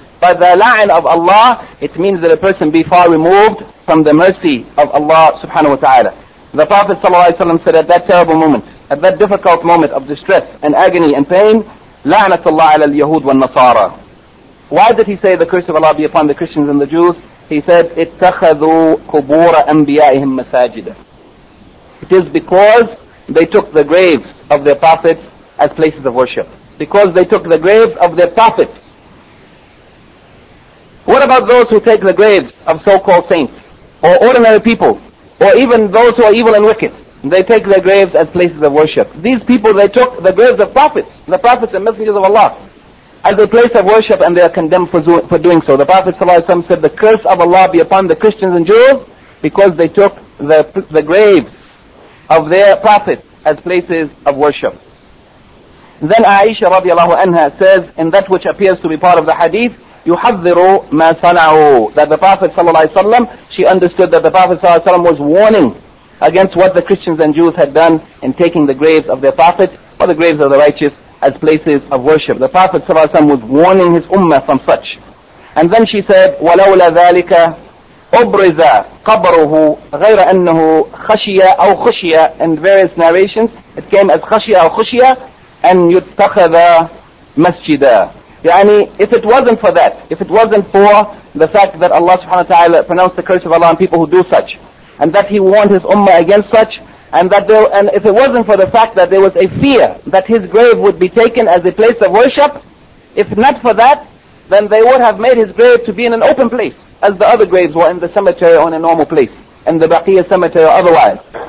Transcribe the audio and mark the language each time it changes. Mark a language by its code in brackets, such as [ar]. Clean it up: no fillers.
[en] But the la'an of Allah, it means that a person be far removed from the mercy of Allah subhanahu wa ta'ala. The Prophet sallallahu alayhi wa sallam said at that terrible moment, at that difficult moment of distress and agony and pain, [ar] La'natullah ala al-Yahud wal-Nasara. [en] Why did he say the curse of Allah be upon the Christians and the Jews? He said, [ar] اتخذوا قبور أنبيائهم مساجدا. [en] It is because they took the graves of their prophets as places of worship. Because they took the graves of their prophets. What about those who take the graves of so-called saints, or ordinary people, or even those who are evil and wicked? They take their graves as places of worship. These people, they took the graves of prophets, the prophets and messengers of Allah, as a place of worship, and they are condemned for doing so. The Prophet ﷺ said, the curse of Allah be upon the Christians and Jews, because they took the graves of their prophets as places of worship. Then Aisha radiallahu anha says, in that which appears to be part of the hadith, [ar] يُحَذِّرُ مَا صَنَعُوا, [en] that the Prophet ﷺ, she understood that the Prophet ﷺ was warning against what the Christians and Jews had done in taking the graves of their prophets or the graves of the righteous as places of worship. The Prophet ﷺ was warning his ummah from such. And then she said, [ar] وَلَوْلَ ذَلِكَ أُبْرِزَ قَبْرُهُ غَيْرَ أَنَّهُ خَشِيَ أَوْ خُشِيَ, [en] in various narrations, it came as [ar] خَشِيَ أَوْ خُشِيَ أَنْ يُتَّخَذَ مَسْجِدًا. [en] Yani, if it wasn't for that, if it wasn't for the fact that Allah subhanahu wa ta'ala pronounced the curse of Allah on people who do such, and that he warned his ummah against such, and if it wasn't for the fact that there was a fear that his grave would be taken as a place of worship, if not for that, then they would have made his grave to be in an open place, as the other graves were in the cemetery or in a normal place, in the Baqiyah cemetery or otherwise.